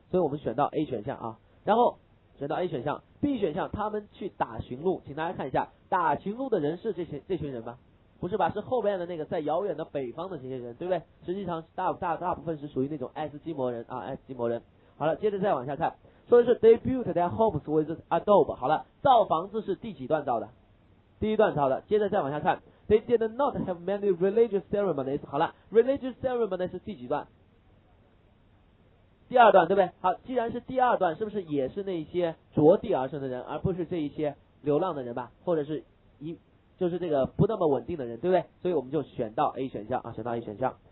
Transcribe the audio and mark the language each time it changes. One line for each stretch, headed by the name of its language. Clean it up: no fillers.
Chinese: 所以我们选到 A 选项啊。然后选到 A 选项 ，B 选项他们去打驯鹿，请大家看一下，打驯鹿的人是这群人吗？不是吧，是后边的那个在遥远的北方的这些人，对不对？实际上大部分是属于那种爱斯基摩人啊，爱斯基摩人。好了，接着再往下看，说的是
English: they built their homes with adobe。
Chinese: 好了，造房子是第几段造的？第一段造的。接着再往下看 ，
English: they did not have many religious ceremonies。
Chinese: 好了 ，religious ceremonies 是第几段？第二段，对不对？好，既然是第二段，是不是也是那些着地而生的人，而不是这一些流浪的人吧，或者是就是这个不那么稳定的人，对不对？所以我们就选到 A 选项啊，选到 A 选项。